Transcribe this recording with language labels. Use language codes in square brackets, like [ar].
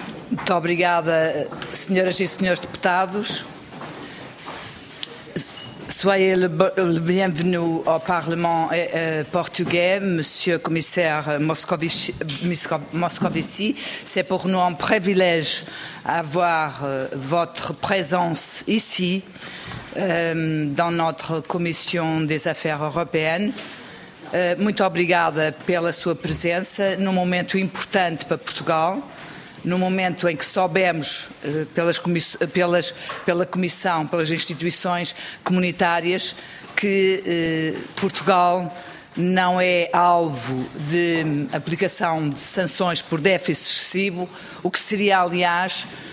[pt] Muito obrigada, senhoras e senhores deputados. [fr] Soyez le bienvenu au Parlement portugais, Monsieur le Commissaire Moscovici. C'est pour nous un privilège d'avoir votre présence ici, dans notre Commission des Affaires européennes. [pt] Muito obrigada pela sua presença num momento importante para Portugal, num momento em que soubemos pela Comissão, pelas instituições comunitárias, que Portugal não é alvo de aplicação de sanções por déficit excessivo, o que seria, aliás,